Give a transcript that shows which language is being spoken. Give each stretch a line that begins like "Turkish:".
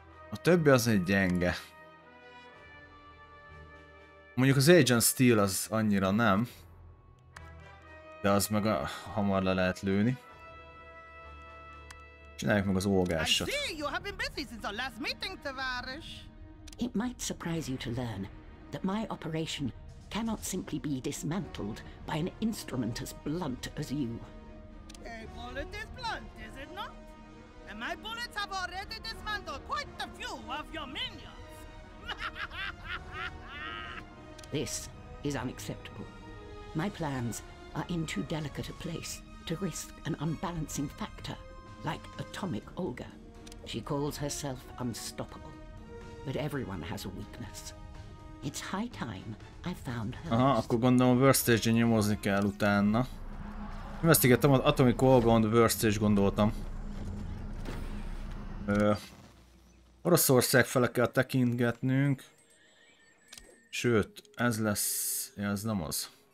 Hungarian: A többi az egy gyenge. Mondjuk az Agent Steel az annyira nem. De az meg a hamar le lehet lőni. Csináljuk meg az Olgásat.
English: I see you have been busy since our last meeting, tovarish. It might surprise you to learn that my operation cannot simply be dismantled by an instrument as blunt as you. A bullet is blunt, is it not? And my bullets have already dismantled quite a few of your minions. This is unacceptable. My plans are in too delicate a place to risk an unbalancing factor like Atomic Olga. She calls herself unstoppable, but everyone has a weakness. It's high time I found her.
Hungarian: Aha, akkor gondolom Worst Stage-en nyomozni kell utána. Investigáltam az Atomic Olga on the Worst Stage, gondoltam. Oroszország fele kell tekintgetnünk. Sőt, ez lesz... Ja, ez nem az.